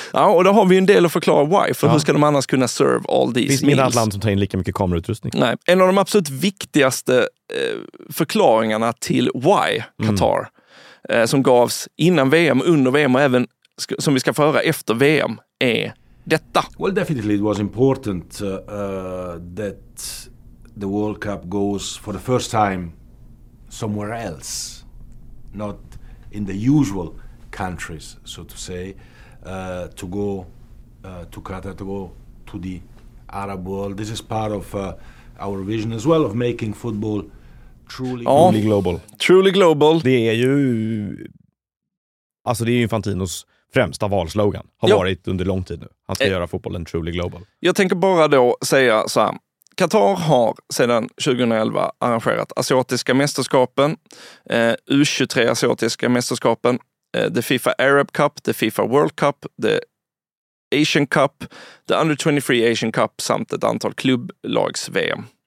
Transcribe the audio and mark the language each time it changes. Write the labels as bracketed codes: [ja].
[sv] Ja, och då har vi ju en del att förklara [en] why. [sv] För hur ska de annars kunna [en] serve all these meals? [sv] Det finns ingen land som tar in lika mycket kamerautrustning. Nej, en av de absolut viktigaste förklaringarna till [en] why Qatar, [sv] som gavs innan VM, under VM och även som vi ska föra efter VM, är detta. [en] Well, definitely it was important that the World Cup goes for the first time somewhere else, not in the usual countries, so to say, to go to Qatar, to go to the Arab world. This is part of our vision as well of making football truly global. Truly global. [sv] Det är ju, alltså det är ju Infantinos främsta valslogan, har varit under lång tid nu. Han ska göra fotbollen [en] truly global. [sv] Jag tänker bara då säga så här. Qatar har sedan 2011 arrangerat asiatiska mästerskapen, U23 asiatiska mästerskapen, the FIFA Arab Cup, the FIFA World Cup, the Asian Cup, the Under 23 Asian Cup samt ett antal klubblags-VM.